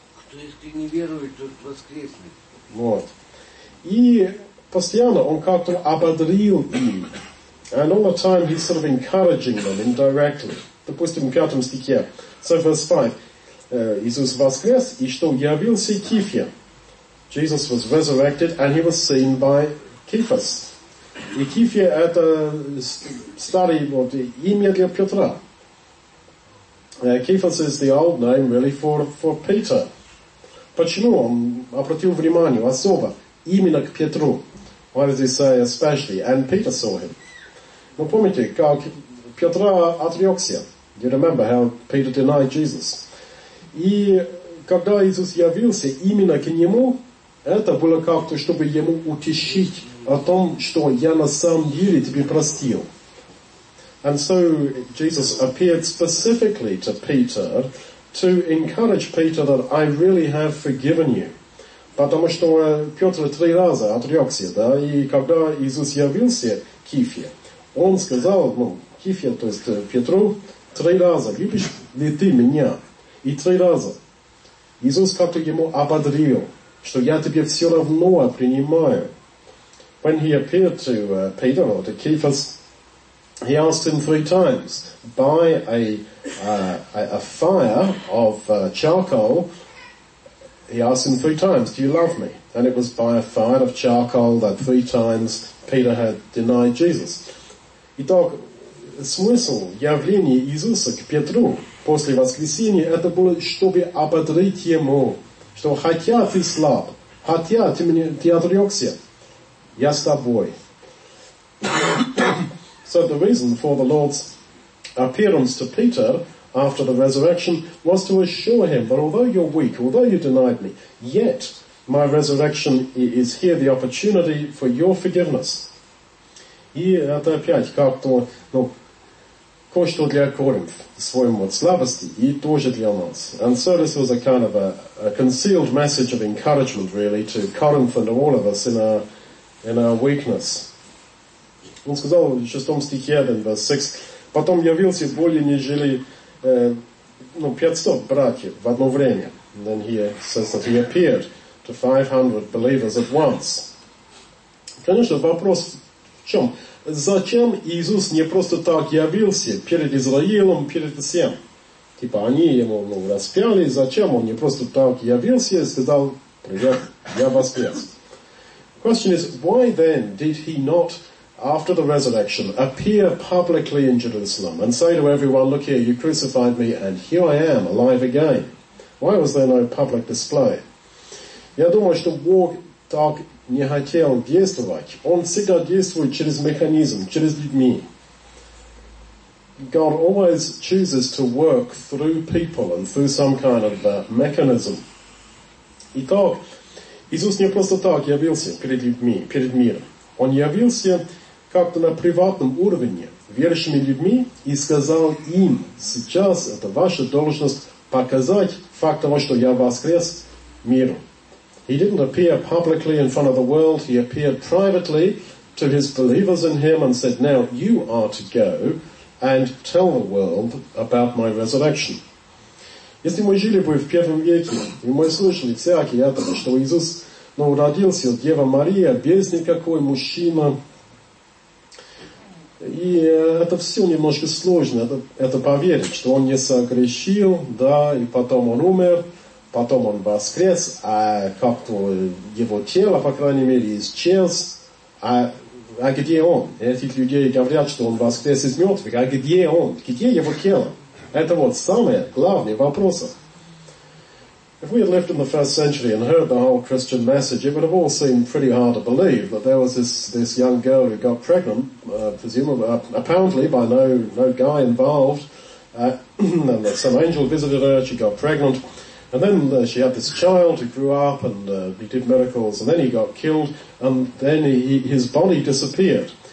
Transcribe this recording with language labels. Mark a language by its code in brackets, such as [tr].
[ru] Кто искренне верует, тот воскреснет. Вот. И постоянно он как-то ободрил им. [en] And all the time he's sort of encouraging them indirectly. [ru] Допустим, в 5 стихе. [en] So verse 5. [ru] Иисус воскрес, и что явился Кифе. [en] Jesus was resurrected, and he was seen by Кифас. [ru] И Кифе — это старый вот, имя для Петра. [en] Кифас is the old name, really, for Peter. [ru] Почему он обратил внимание особо именно к Петру? [en] Why does he say especially? And Peter saw him. [ru] Но помните, как Петра отрекся. [en] You remember how Peter denied Jesus. [ru] И когда Иисус явился именно к нему, это было как-то, чтобы ему утешить о том, что я на самом деле тебе простил. [en] And so Jesus appeared specifically to Peter to encourage Peter that I really have forgiven you. [ru] Потому что Петр три раза отрекся, да, и когда Иисус явился Кифе, он сказал, ну, Кифе, то есть Петру, три раза, любишь ли ты меня? И три раза. Иисус как-то ему ободрил, что я тебе все равно принимаю. [en] When he appeared to Peter, or to Cephas, he asked him three times, by a fire of charcoal, he asked him three times, do you love me? And it was by a fire of charcoal that three times Peter had denied Jesus. [ru] Итак, смысл явления Иисуса к Петру после воскресения, это было, чтобы ободрить ему, что хотя ты слаб, хотя ты отрекся, я с тобой. [en] So the reason for the Lord's appearance to Peter after the resurrection was to assure him that although you're weak, although you denied me, yet my resurrection is here, the opportunity for your forgiveness. [ru] И это опять как-то, ну, кое-что для Коринф в своем вот слабости и тоже для нас. [en] And so this was a kind of a concealed message of encouragement, really, to Corinth and all of us in our weakness. [ru] Он сказал в 6 стихе, 1, [en] verse 6, [ru] потом явился более нежели 500 братьев в одно время. [en] And then he says that he appeared to 500 believers at once. [ru] Конечно, вопрос в чем? Зачем Иисус не просто так явился перед Израилем, перед всем? Типа они ему распяли, зачем он не просто так явился и сказал, привет, я воскрес. [en] Question is, why then did he not, after the resurrection, appear publicly in Jerusalem and say to everyone, look here, you crucified me, and here I am, alive again. Why was there no public display? [ru] Я думаю, что Бог так не хотел действовать. Он всегда действует через механизм, через людьми. [en] God always chooses to work through people and through some kind of mechanism. [ru] Итак, Иисус не просто так явился перед людьми, перед миром. Он явился как-то на приватном уровне верующими людьми и сказал им, сейчас это ваша должность показать факт того, что я воскрес миру. [en] He didn't appear publicly in front of the world. He appeared privately to his believers in him and said, now you are to go and tell the world about my resurrection. [ru] Если мы жили бы в первом веке, и мы слышали всякие это, что Иисус, ну, родился от Девы Марии, без никакой мужчины. И это все немножко сложно, это поверить, что он не согрешил, да, и потом он умер, потом он воскрес, а как-то его тело, по крайней мере, исчез. А где он? Эти люди говорят, что он воскрес из мертвых. А где он? Где его тело? Это вот самые главные вопросы. [en] If we had lived in the first century and heard the whole Christian message, it would have all seemed pretty hard to believe that there was this young girl who got pregnant, apparently by no guy involved, and that some angel visited her, she got pregnant, and then she had this child who grew up and he did miracles, and then he got killed, and then his body disappeared.